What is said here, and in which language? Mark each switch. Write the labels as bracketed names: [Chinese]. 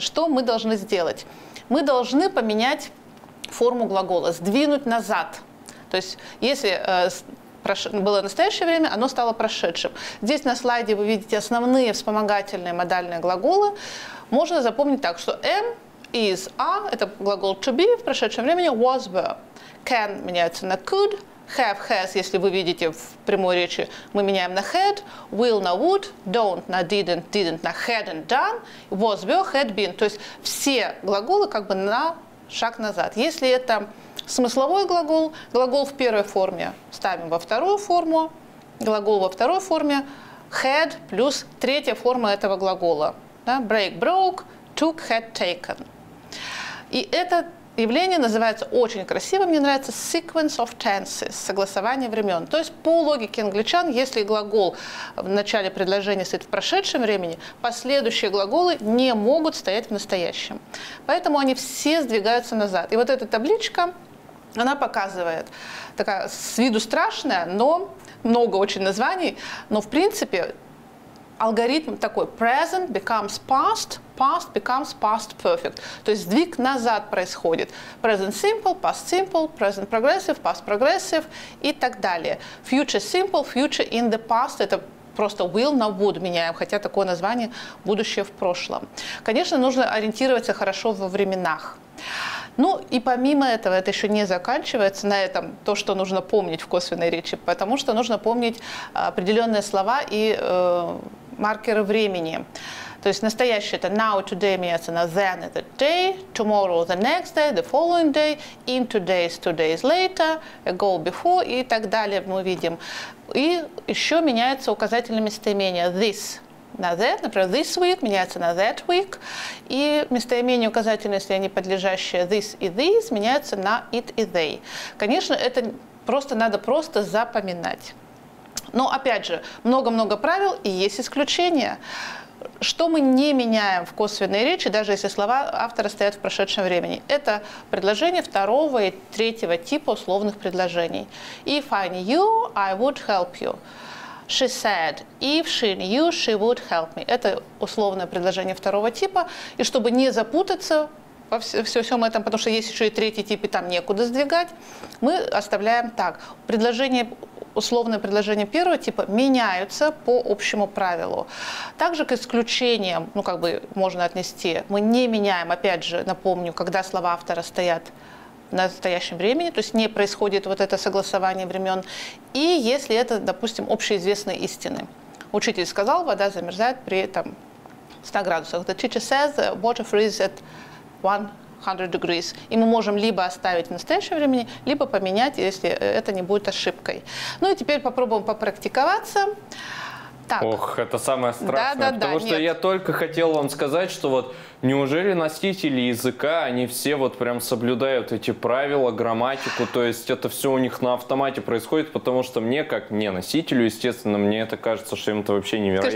[Russian] Что мы должны сделать? Мы должны поменять форму глагола, сдвинуть назад. То есть, если было настоящее время, оно стало прошедшим. Здесь на слайде вы видите основные вспомогательные модальные глаголы. Можно запомнить так, что am, is, are – это глагол to be в прошедшем времени, was, were. [English] Can меняется на could, have, has – [Russian] если вы видите в прямой речи, [English] мы меняем на had, will на would, don't на didn't, didn't на hadn't done, was, were, had been. [Russian] То есть все глаголы как бы на шаг назад. Если это смысловой глагол, глагол в первой форме ставим во вторую форму, глагол во второй форме had плюс третья форма этого глагола. Да? [English] Break broke, took, had taken. [Russian] И это явление называется очень красиво, мне нравится [English] sequence of tenses, [Russian] согласование времен. То есть по логике англичан, если глагол в начале предложения стоит в прошедшем времени, последующие глаголы не могут стоять в настоящем. Поэтому они все сдвигаются назад. И вот эта табличка, она показывает, такая с виду страшная, но много очень названий, но в принципе алгоритм такой [English] present becomes past, past becomes past perfect. [Russian] То есть сдвиг назад происходит. [English] Present simple, past simple, present progressive, past progressive [Russian] и так далее. Future simple, [English] future in the past [Russian] – это просто will на would меняем, хотя такое название будущее в прошлом. Конечно, нужно ориентироваться хорошо во временах. Ну и помимо этого, это еще не заканчивается на этом, то, что нужно помнить в косвенной речи, потому что нужно помнить определенные слова и маркеры времени. [English] То есть настоящее – это now, today меняется на then – the day, tomorrow – the next day, the following day, in two days later, ago – before [Russian] и так далее мы видим. [English] И еще меняется указательное местоимение – this – [Russian] на that, например, [English] this week [Russian] меняется на [English] that week, [Russian] и местоимения указательные, если они подлежащие this и these, меняются на it и they. Конечно, это просто надо просто запоминать. Но опять же, много-много правил и есть исключения. Что мы не меняем в косвенной речи, даже если слова автора стоят в прошедшем времени? Это предложение второго и третьего типа условных предложений. [English] If I knew you, I would help you. She said, if she knew, she would help me. [Russian] Это условное предложение второго типа. И чтобы не запутаться во всем этом, потому что есть еще и третий тип, и там некуда сдвигать, мы оставляем так. Предложение... Условные предложения первого типа меняются по общему правилу. Также к исключениям, ну как бы можно отнести, мы не меняем, опять же, напомню, когда слова автора стоят в настоящем времени, то есть не происходит вот это согласование времен, и если это, допустим, общеизвестные истины. Учитель сказал, вода замерзает при там, 100 градусах. [English] The teacher says the water freezes at 100 degrees. [Russian] И мы можем либо оставить в настоящем времени, либо поменять, если это не будет ошибкой. Ну и теперь попробуем попрактиковаться. Так. Ох, это самое страшное. Да, да, потому да, что нет. Я только хотел вам сказать, что вот неужели носители языка, они все вот прям соблюдают эти правила, грамматику, то есть это все у них на автомате происходит, потому что мне, как не носителю, естественно, мне это кажется, что им это вообще невероятно.